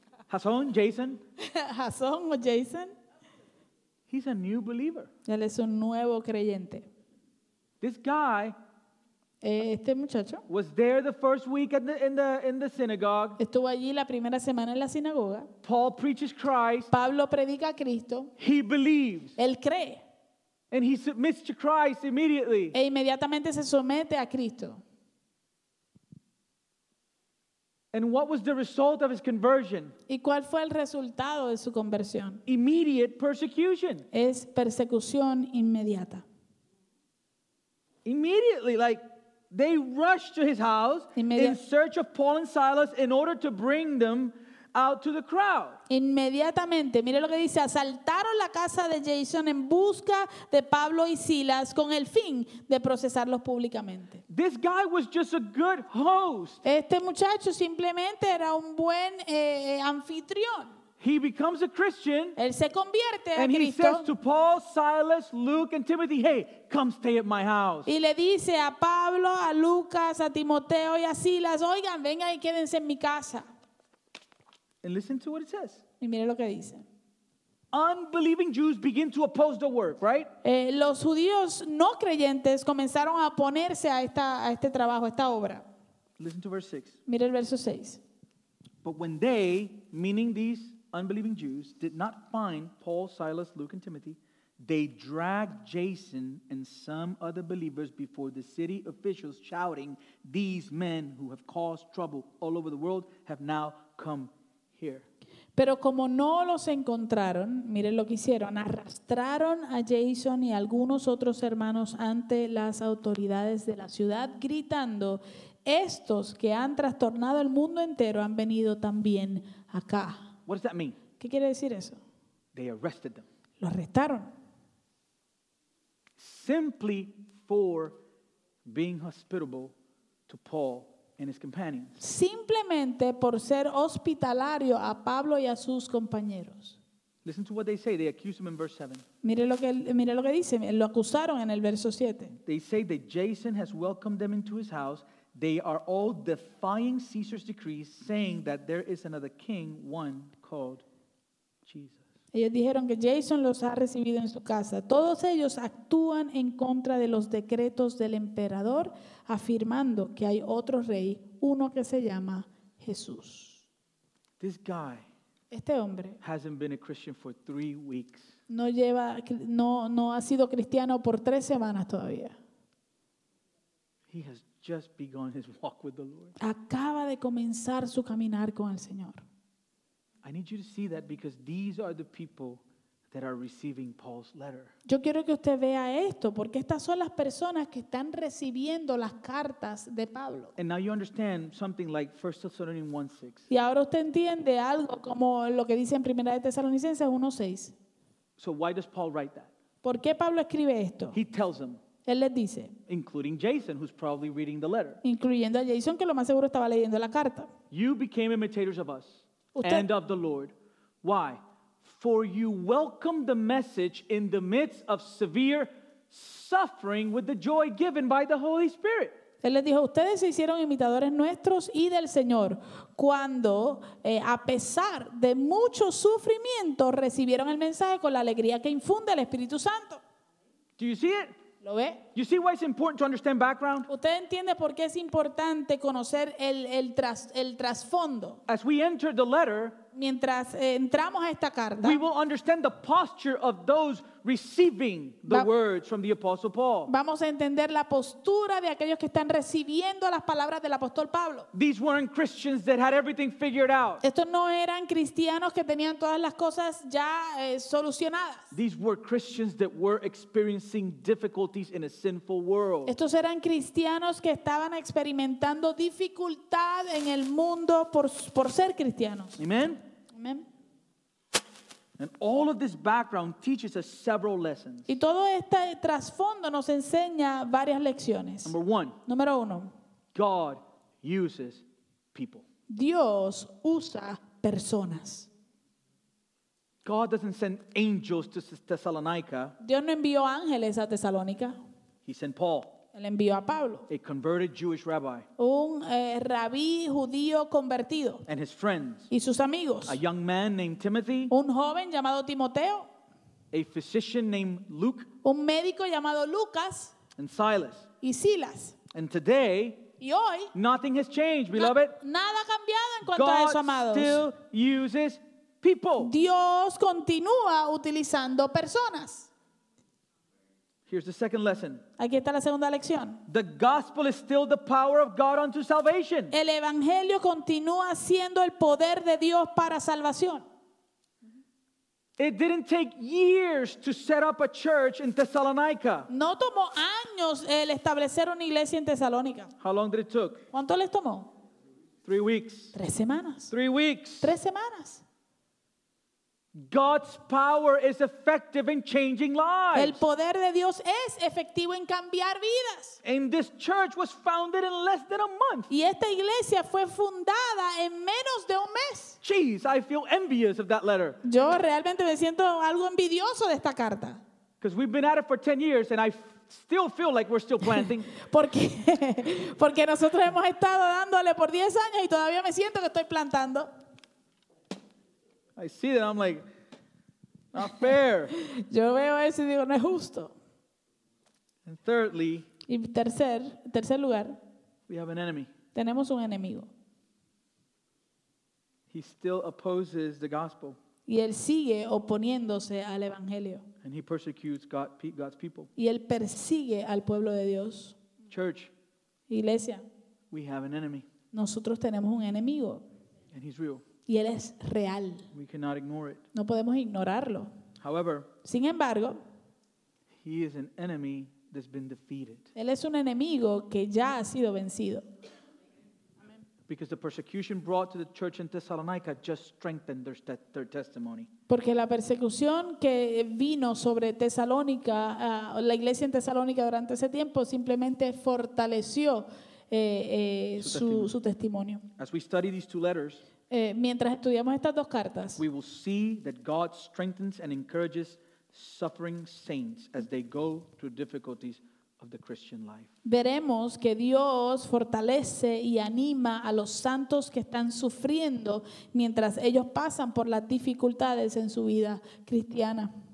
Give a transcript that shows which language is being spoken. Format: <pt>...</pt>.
<en>Jason. Jason.</en> <es>Jason o Jason.</es> <en>He's a new believer.</en> <es>Él es un nuevo creyente.</es> <en>This guy.</en> <es>Este muchacho.</es> <en>Was there the first week in the synagogue.</en> <es>Estuvo allí la primera semana en la sinagoga.</es> <en>Paul preaches Christ.</en> <es>Pablo predica a Cristo.</es> <en>He believes.</en> <es>Él cree.</es> <en>And he submits to Christ immediately.</en> <es>E inmediatamente se somete a Cristo.</es> <en>And what was the result of his conversion?</en> <es>¿Y cuál fue el resultado de su conversión?</es> <en>Immediate persecution.</en> <es>Es persecución inmediata.</es> <en>Immediately, like they rushed to his house in search of Paul and Silas in order to bring them out to the crowd.</en> <es>Inmediatamente, mire lo que dice, asaltaron la casa de Jason en busca de Pablo y Silas con el fin de procesarlos públicamente.</es> <en>This guy was just a good host.</en> <es>Este muchacho simplemente era un buen anfitrión.</es> <en>He becomes a Christian.</en> <es>Él se convierte en cristiano.</es> <en>And he says to Paul, Silas, Luke and Timothy, "Hey, come stay at my house."</en> <es>Y le dice a Pablo, a Lucas, a Timoteo y a Silas, "Oigan, vengan y quédense en mi casa."</es> <en>And listen to what it says.</en> <es>Y mire lo que dice.</es> <en>Unbelieving Jews begin to oppose the work, right?</en> <es>Los judíos no creyentes comenzaron a oponerse a este trabajo, a esta obra.</es> <en>Listen to verse 6.</en> <es>Mire el verso 6.</es> <en>But when they, meaning these unbelieving Jews, did not find Paul, Silas, Luke, and Timothy, they dragged Jason and some other believers before the city officials, shouting, "These men who have caused trouble all over the world have now come here."</en> <es>Pero como no los encontraron, miren lo que hicieron, arrastraron a Jason y algunos otros hermanos ante las autoridades de la ciudad, gritando, "Estos que han trastornado el mundo entero han venido también acá."</es> <en>What does that mean?</en> <es>¿Qué quiere decir eso?</es> <en>They arrested them.</en> <es>Lo arrestaron.</es> <en>Simply for being hospitable to Paul and his companions.</en> <es>Simplemente por ser hospitalario a Pablo y a sus compañeros.</es> <en>Listen to what they say. They accuse him in verse 7.</en> <es>Mire lo que dice. Lo acusaron en el verso 7.</es> <en>They say that Jason has welcomed them into his house. They are all defying Caesar's decree, saying that there is another king, one called Jesus.</en> <es>Ellos dijeron que Jason los ha recibido en su casa. Todos ellos actúan en contra de los decretos del emperador, afirmando que hay otro rey, uno que se llama Jesús.</es> <en>This guy,</en> <es>este hombre,</es> <en>hasn't been a Christian for 3 weeks.</en> <es>No ha sido cristiano por 3 semanas todavía.</es> <en>He has just begun his walk with the Lord.</en> <es>Acaba de comenzar su caminar con el Señor.</es> <en>I need you to see that because these are the people that are receiving Paul's letter.</en> <es>Yo quiero que usted vea esto porque estas son las personas que están recibiendo las cartas de Pablo.</es> <en>And now you understand something like 1 Thessalonians 1:6.</en> <es>Y ahora usted entiende algo como lo que dice en Primera de Tesalonicenses 1:6.</es> <en>So why does Paul write that?</en> <es>¿Por qué Pablo escribe esto?</es> <en>He tells them.</en> <es>Él les dice.</es> <en>Including Jason, who's probably reading the letter.</en> <es>Incluyendo a Jason, que lo más seguro estaba leyendo la carta.</es> <en>You became imitators of us. And of the Lord. Why? For you welcome the message in the midst of severe suffering with the joy given by the Holy Spirit.</en> <es>Él les dijo, ustedes se hicieron imitadores nuestros y del Señor cuando, a pesar de mucho sufrimiento, recibieron el mensaje con la alegría que infunde el Espíritu Santo.</es> <en>Do you see it?</en> <es>¿Lo ve?</es> <en>You see why it's important to understand background?</en> <es>¿Usted entiende por qué es importante conocer el trasfondo?</es> <en>As we enter the letter,</en> <es>mientras entramos a esta carta,</es> <en>we will understand the posture of those receiving the words from the Apostle Paul.</en> <es>Vamos a entender la postura de aquellos que están recibiendo las palabras del apóstol Pablo.</es> <en>These weren't Christians that had everything figured out.</en> <es>Estos no eran cristianos que tenían todas las cosas ya solucionadas.</es> <en>These were Christians that were experiencing difficulties in a sinful world.</en> <es>Estos eran cristianos que estaban experimentando dificultad en el mundo por ser cristianos.</es> <en>Amen.</en> <es>Amen.</es> <en>And all of this background teaches us several lessons.</en> <es>Y todo este trasfondo nos enseña varias lecciones.</es> <en>Number one.</en> <es>Número uno.</es> <en>God uses people.</en> <es>Dios usa personas.</es> <en>God doesn't send angels to Thessalonica.</en> <es>Dios no envió ángeles a Tesalónica.</es> <en>He sent Paul.</en> <es>Él envió a Pablo.</es> <en>A converted Jewish rabbi.</en> <es>Un rabí judío convertido.</es> <en>And his friends.</en> <es>Y sus amigos.</es> <en>A young man named Timothy.</en> <es>Un joven llamado Timoteo.</es> <en>A physician named Luke.</en> <es>Un médico llamado Lucas.</es> <en>And Silas.</en> <es>Y Silas.</es> <en>And today.</en> <es>Y hoy.</es> <en>Nothing has changed, beloved.</en> <es>Nada ha cambiado en cuanto a eso, amados.</es> <en>God still uses people.</en> <es>Dios continúa utilizando personas.</es> <en>Here's the second lesson.</en> <es>Aquí está la segunda lección.</es> <en>The gospel is still the power of God unto salvation.</en> <es>El evangelio continúa siendo el poder de Dios para salvación.</es> <en>It didn't take years to set up a church in Thessalonica.</en> <es>No tomó años el establecer una iglesia en Tesalónica.</es> <en>How long did it took?</en> <es>¿Cuánto les tomó?</es> <en>3 weeks.</en> <es>3 semanas.</es> <en>3 weeks.</en> <es>3 semanas.</es> <en>God's power is effective in changing lives.</en> <es>El poder de Dios es efectivo en cambiar vidas.</es> <en>And this church was founded in less than a month.</en> <es>Y esta iglesia fue fundada en menos de un mes.</es> <en>Jeez, I feel envious of that letter.</en> <es>Yo realmente me siento algo envidioso de esta carta.</es> <en>Because we've been at it for 10 years and I still feel like we're still planting.</en> <es>Porque nosotros hemos estado dándole por 10 años y todavía me siento que estoy plantando.</es> <en>I see that, I'm like, not fair.</en> <es>Yo veo eso y digo, no es justo.</es> <en>And thirdly,</en> <es>y tercer lugar,</es> <en>we have an enemy.</en> <es>Tenemos un enemigo.</es> <en>He still opposes the gospel.</en> <es>Y él sigue oponiéndose al evangelio.</es> <en>And he persecutes God's people.</en> <es>Y él persigue al pueblo de Dios.</es> <en>Church.</en> <es>Iglesia.</es> <en>We have an enemy.</en> <es>Nosotros tenemos un enemigo.</es> <en>And he's real.</en> <es>Y él es real.</es> <en>We cannot ignore it.</en> <es>No podemos ignorarlo.</es> <en>However,</en> <es>sin embargo,</es> <en>he is an enemy that's been defeated.</en> <es>Él es un enemigo que ya ha sido vencido.</es> <en>Because the persecution brought to the church in Thessalonica just strengthened their testimony.</en> <es>Porque la persecución que vino sobre Tesalónica, la iglesia en Tesalónica durante ese tiempo simplemente fortaleció su testimonio.</es> <en>As we study these two letters,</en> <es>mientras estudiamos estas dos cartas,</es> <en>we will see that God strengthens and encourages suffering saints as they go through difficulties of the Christian life.</en> <es>Veremos que Dios fortalece y anima a los santos que están sufriendo mientras ellos pasan por las dificultades en su vida cristiana.</es>